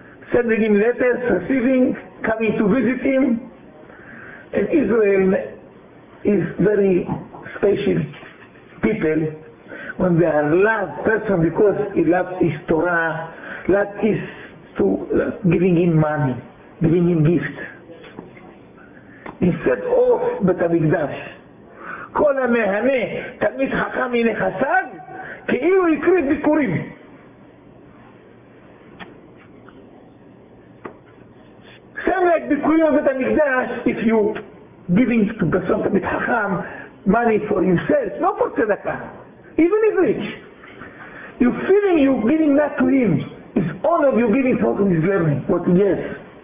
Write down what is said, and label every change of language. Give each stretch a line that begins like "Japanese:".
English: Sending him letters, receiving, coming to visit him. And Israel is very special people when they are loved person because he loves his Torah, loves his to giving him money, giving him gifts. Instead of Bet HaMikdash,
Hebrew: כל המהנה תלמיד חכם מן החסד, כאילו יקריב ביקורים.
English: Same like ביקורים Bet HaMikdash, if you giving to person תלמיד חכם money for yourself, not for tzedakah, even if rich. You feeling you giving that to him. It's honor of you giving for his learning, what yes.